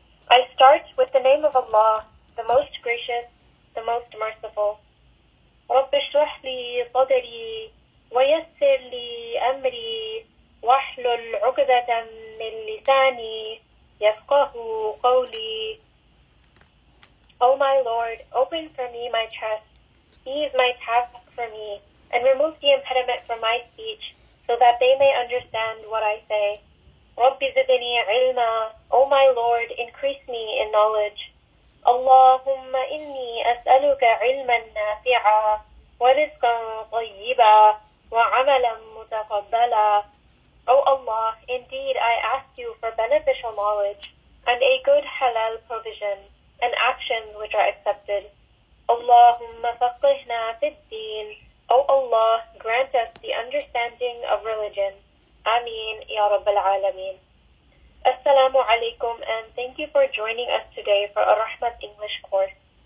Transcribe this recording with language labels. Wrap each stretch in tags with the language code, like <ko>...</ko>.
<en>I start with the name of Allah, the most gracious, the most merciful.</en> <ar>رب اشرح لي صدري ويسر لي أمري واحلل عقدة من لساني يفقه قولي.</ar> <en>Oh my Lord, open for me my chest, ease my task for me, and remove the impediment from my speech, so that they may understand what I say.</en> <ar>رب زدني علما.</ar> <en>O my Lord, increase me in knowledge.</en> <ar>اللهم إني أسألك علما نافعا ورزقا طيبا وعملا متقبلا.</ar> <en>O Allah, indeed I ask you for beneficial knowledge and a good halal provision and actions which are accepted.</en> <ar>اللهم فقهنا في الدين.</ar> <en>O Allah, grant us the understanding of religion. Ameen, Ya Rabb al-Alameen. Assalamu alaikum and thank you for joining us today for a Rahmat English course.</en>